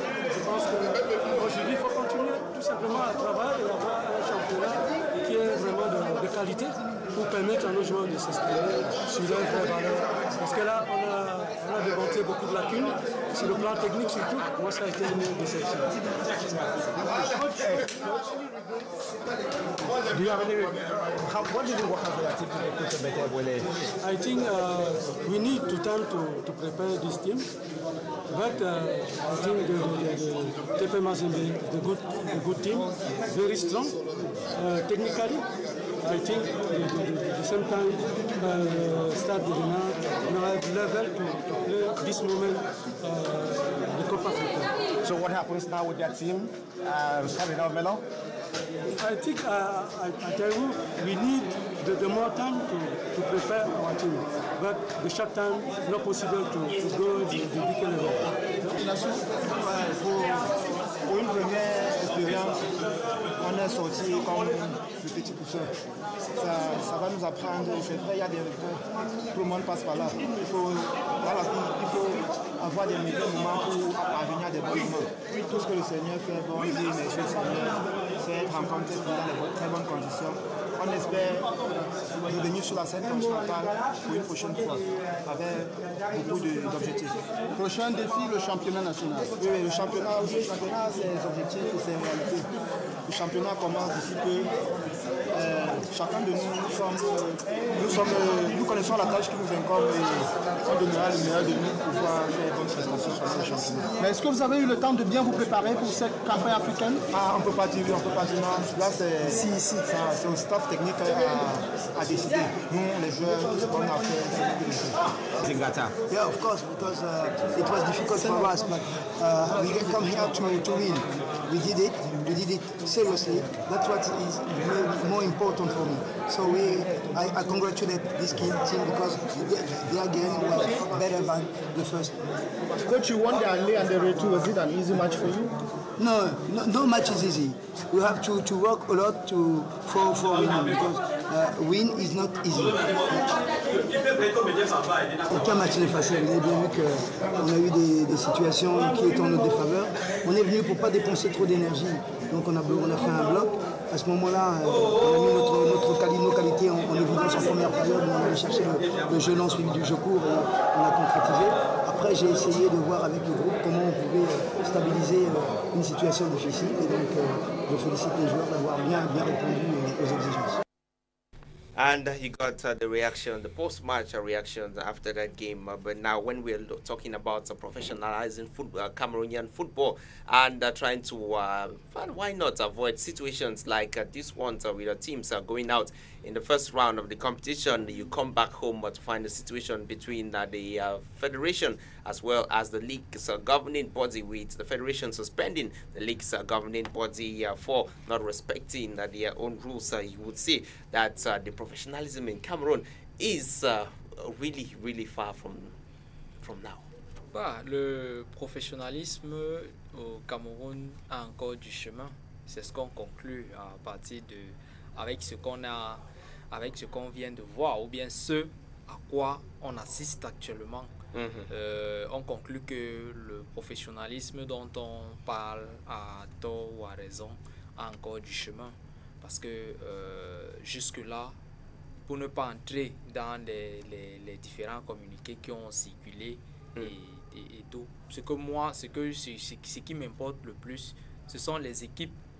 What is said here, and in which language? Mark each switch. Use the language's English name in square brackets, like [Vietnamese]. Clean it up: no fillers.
[French] Je pense qu'aujourd'hui, il faut continuer tout simplement à travailler et avoir un championnat qui est vraiment de qualité pour permettre à nos joueurs de s'exprimer sur leurs vraies valeurs. Parce que là, on a démontré beaucoup de lacunes. Sur le plan technique surtout, moi ça a été une déception. [English] Do you have any what do you think have a team to put a better way? I think we need to time to prepare this team. But I think the TP Mazembe is a good team, very strong technically. I think the same time Stade de Renard, we have the level to play this moment the Copa Africa. So what happens now with that team? Stade de Renard? I think I tell you we need the more time to prepare our team. But the short time not possible to go the big level. [French] Pour une première expérience, on est sorti comme le petit poussin. Ça va nous apprendre, c'est vrai, il y a des regrets. Tout le monde passe par là. Il faut avoir des meilleurs moments pour parvenir à des bons moments. Tout ce que le Seigneur fait, bon, il dit, merci le Seigneur, c'est être rencontré dans les très bonnes conditions. On espère revenir sur la scène continentale pour une prochaine fois, avec beaucoup d'objectifs. Prochain défi, le championnat national. Oui, le championnat, c'est les objectifs et c'est la réalité. Le championnat commence d'ici peu. Chacun de nous, nous connaissons la tâche qui nous incombe et on donnera le meilleur de nous pour pouvoir faire bonne prestation sur ce championnat. Mais est-ce que vous avez eu le temps de bien vous préparer pour cette campagne africaine? Ah, on ne peut pas dire oui, on ne peut pas dire non. Là, c'est un staff technique à décider. Nous, les joueurs, tout ce qu'on a fait, c'est nous qui le faisons. Zingata. [English] Yeah, of course, because it was difficult for us, but we come here to win. We did it seriously. That's what is more important for me. So I congratulate this team because their game was better than the first. Coach, you won the Ale and the Retu. Was it an easy match for you? No match is easy. We have to work a lot for winning because win is not easy. [French] Aucun match n'est facile. Vous avez bien vu qu'on a eu des situations qui étaient en notre défaveur. On est venu pour ne pas dépenser trop d'énergie. Donc on a fait un bloc. À ce moment-là, on a mis notre qualité en évidence en première période. On allait chercher le jeu long suivi du jeu court et on a concrétisé. Après, j'ai essayé de voir avec le groupe comment on pouvait stabiliser une situation difficile. Et donc, je félicite les joueurs d'avoir bien répondu aux exigences. [English] And he got the reaction, the post-match reactions after that game. But now when we're talking about professionalizing football, Cameroonian football, and trying to, why not avoid situations like this one with our teams going out in the first round of the competition, you come back home to find a situation between the federation as well as the league's governing body, with the federation suspending the league's governing body for not respecting their own rules. You would see that the professionalism in Cameroon is really, really far from now. [French] Bah, le professionnalisme au Cameroun a encore du chemin. C'est ce qu'on conclut à partir de avec ce qu'on a, avec ce qu'on vient de voir, ou bien ce à quoi on assiste actuellement. On conclut que le professionnalisme dont on parle à tort ou à raison a encore du chemin, parce que jusque-là, pour ne pas entrer dans les différents communiqués qui ont circulé et tout, ce qui m'importe le plus, ce sont les équipes.